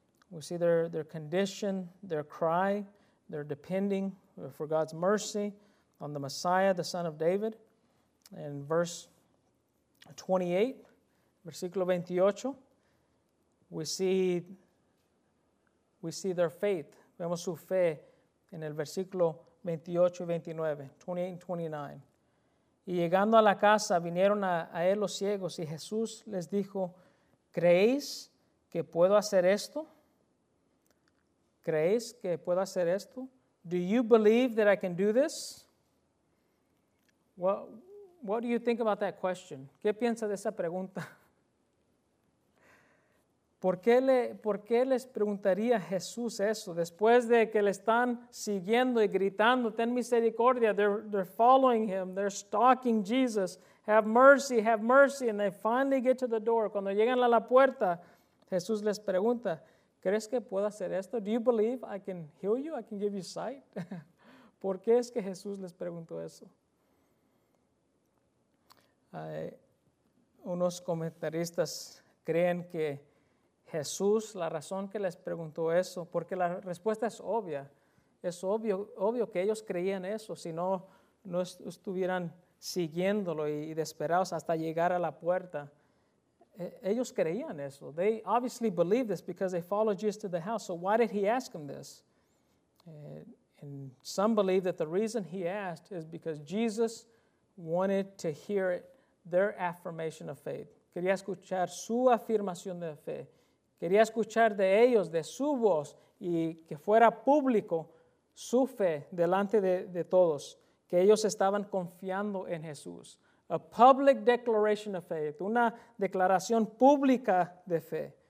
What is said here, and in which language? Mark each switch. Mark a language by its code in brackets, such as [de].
[en] We see their condition, their cry, their depending for God's mercy on the Messiah, the Son of David. In verse 28, [es] versículo 28, [en] we see their faith. [es] Vemos su fe en el versículo 28 y 29. [en] 28 and 29. [es] Y llegando a la casa, vinieron a él los ciegos. Y Jesús les dijo, ¿creéis que puedo hacer esto? ¿Creéis que puedo hacer esto? [en] Do you believe that I can do this? What do you think about that question? [es] ¿Qué piensa de esa pregunta? ¿Por qué les preguntaría Jesús eso? Después de que le están siguiendo y gritando, ten misericordia, [en] they're following him, they're stalking Jesus, have mercy, and they finally get to the door. [es] Cuando llegan a la puerta, Jesús les pregunta, ¿crees que puedo hacer esto? [en] Do you believe I can heal you? I can give you sight? [es] ¿Por qué es que Jesús les preguntó eso? Unos comentaristas creen que Jesús, la razón que les preguntó eso, porque la respuesta es obvia. Es obvio que ellos creían eso, si no estuvieran siguiéndolo y desesperados hasta llegar a la puerta. Ellos creían eso. [en] They obviously believe this because they followed Jesus to the house. So why did he ask them this? And some believe that the reason he asked is because Jesus wanted to hear their affirmation of faith. [es] Quería escuchar su afirmación de fe. Quería escuchar de ellos, de su voz, y que fuera público su fe delante de todos, que ellos estaban confiando en Jesús. [en] A public declaration of faith, [es] una declaración pública de fe.